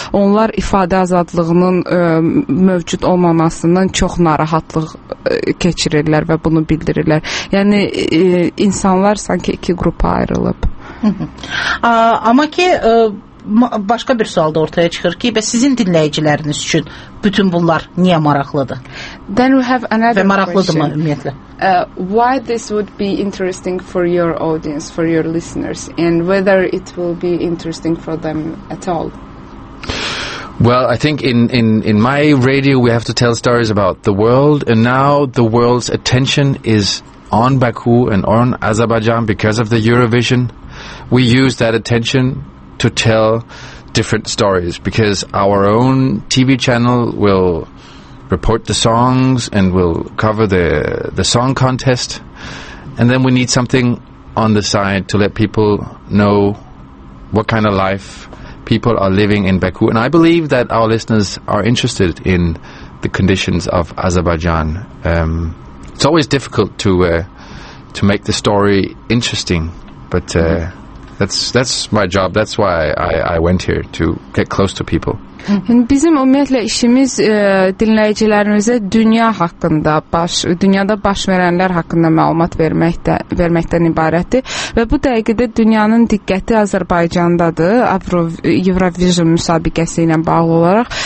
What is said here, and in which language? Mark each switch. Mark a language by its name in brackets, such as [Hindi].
[Azerbaijani] Onlar ifadə azadlığının mövcud olmamasından çox narahatlıq keçirirlər və bunu bildirirlər. Yəni insanlar sanki iki qrupa ayrılıb. Amma ki başqa bir sual da ortaya çıxır ki, bəs sizin dinləyiciləriniz üçün bütün bunlar niyə maraqlıdır? [English] Then we have another question. [Azerbaijani] Və maraqlıdır mı ümumiyyətlə? [English] Why this would be interesting for your audience, for your listeners, and whether it will be interesting for them at all? Well, I think in my radio we have to tell stories about the world, and now the world's attention is on Baku and on Azerbaijan because of the Eurovision. We use that attention to tell different stories, because our own TV channel will report the songs and will cover the song contest, and then we need something on the side to let people know what kind of life people are living in Baku. And I believe that our listeners are interested in the conditions of Azerbaijan. It's always difficult to make the story interesting, but That's my job. That's why I went here, to get close to people. [Azerbaijani] Bizim ümumiyyətlə işimiz dinləyicilərimizə dünya haqqında, dünyada baş verənlər haqqında məlumat verməkdən ibarətdir. Və bu dəqiqədə dünyanın diqqəti Azərbaycandadır, Eurovision müsabiqəsi ilə bağlı olaraq.